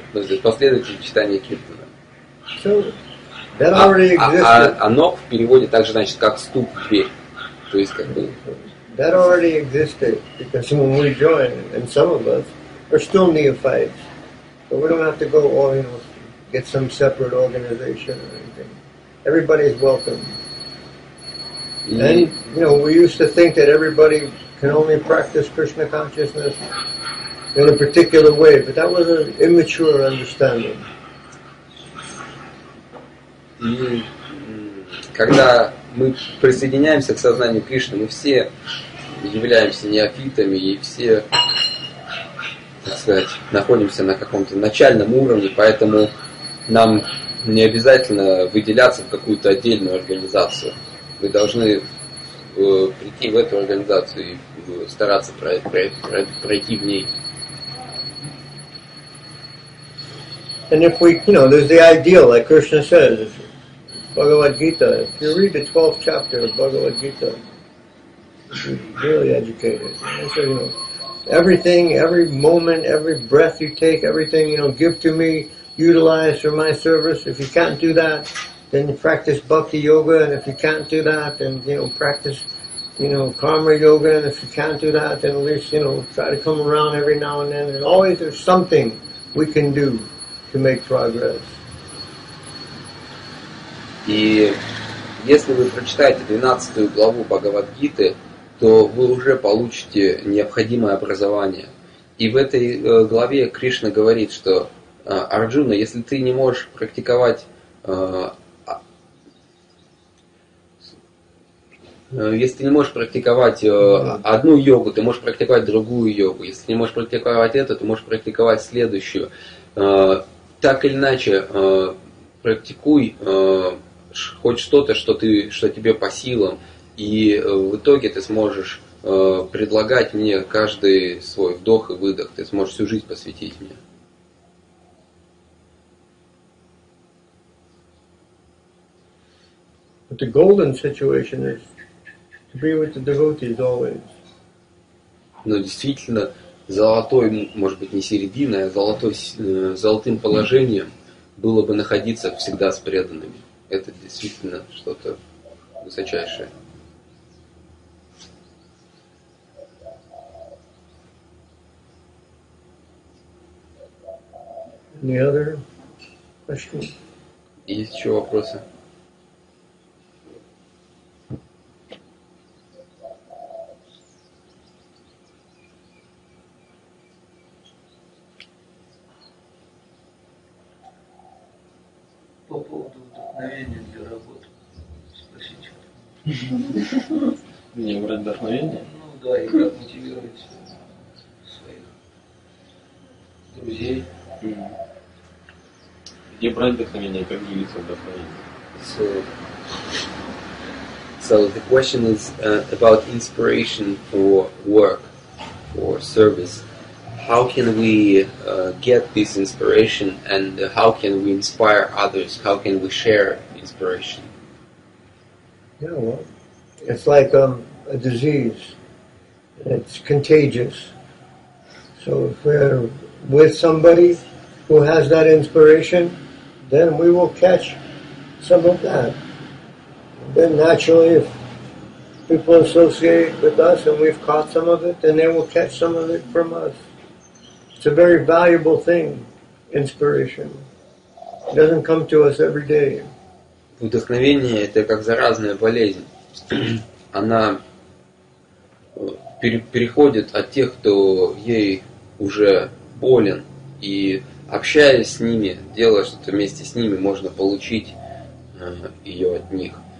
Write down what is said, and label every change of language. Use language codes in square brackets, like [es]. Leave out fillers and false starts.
[ru] То есть последователи читания Киртана. [en] So, that already existed. [ru] А ног в переводе также значит как стук в дверь. То есть как бы. [en] That already existed, because when we join, and some of us are still neophytes. But we don't have to go all, you know, get some separate organization or anything. Everybody is welcome. And you know, we used to think that everybody can only practice Krishna consciousness in a particular way, but that was an immature understanding. [ru] И когда мы присоединяемся к сознанию Кришны, мы все являемся неофитами и все, так сказать, находимся на каком-то начальном уровне, поэтому нам не обязательно выделяться в какую-то отдельную организацию. Вы должны прийти в эту организацию и стараться пройти в ней. [en] And if we, you know, there's the ideal, like Krishna says, Bhagavad Gita. If you read the 12th chapter of Bhagavad Gita, you're really educated. I say, you know, everything, every moment, every breath you take, everything, you know, give to me, utilize for my service. If you can't do that, then practice bhakti yoga, and if you can't do that, then, you know, practice, you know, karma yoga, and if you can't do that, then at least, you know, try to come around every now and then. And always there's something we can do to make progress. [ru] И если вы прочитаете 12 главу Бхагавад-гиты, то вы уже получите необходимое образование. И в этой главе Кришна говорит, что Арджуна, если ты не можешь практиковать, если не можешь практиковать одну йогу, ты можешь практиковать другую йогу. Если не можешь практиковать эту, ты можешь практиковать следующую. Так или иначе, практикуй хоть что-то, что тебе по силам, и в итоге ты сможешь предлагать мне каждый свой вдох и выдох, ты сможешь всю жизнь посвятить мне. [en] Well, But the golden situation is to be with the devotees always. [ru] Но действительно, золотой, может быть, не середина, а золотым положением было бы находиться всегда с преданными. Это действительно что-то высочайшее. [en] Any other questions? [ru] Есть еще вопросы? По поводу вдохновения для работы. Спросите. Мне брать вдохновение? Ну да, и как мотивировать своих друзей. Где брать вдохновение, как делиться вдохновением? [en] So the question is about inspiration for work, for service. How can we get this inspiration, and how can we inspire others? How can we share inspiration? Yeah, well, it's like a disease. It's contagious. So if we're with somebody who has that inspiration, then we will catch some of that. Then naturally, if people associate with us and we've caught some of it, then they will catch some of it from us. It's a very valuable thing, inspiration. It doesn't come to us every day. [ru] Вдохновение – это как заразная болезнь. Она переходит от тех, кто ей уже болен, и общаясь с ними, делая что-то вместе с ними, можно получить ее от них.